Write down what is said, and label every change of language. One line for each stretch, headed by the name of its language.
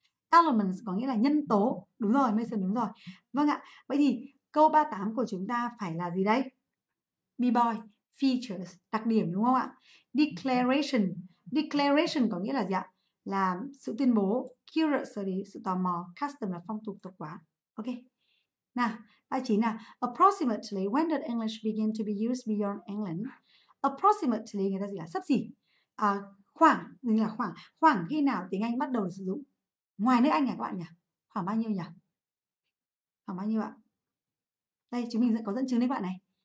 Vietnamese: Elements có nghĩa là nhân tố. Đúng rồi, Mason đúng rồi. Vâng ạ. Vậy thì câu 38 của chúng ta phải là gì đây? B-boy, features, đặc điểm đúng không ạ? Declaration. Declaration có nghĩa là gì ạ? Là sự tuyên bố. Curiosity, sự tò mò. Custom là phong tục tập quán. Ok. Nào, 39 nào.
English: Approximately, when did English begin to be used beyond England?
Vietnamese: Approximately, người ta gì là xấp xỉ. À, khoảng, mình là khoảng. Khoảng khi nào tiếng Anh bắt đầu sử dụng? Ngoài nước Anh nhỉ các bạn nhỉ? Khoảng bao nhiêu nhỉ? Khoảng bao nhiêu ạ? Đây, chúng mình sẽ có dẫn chứng đấy các bạn này.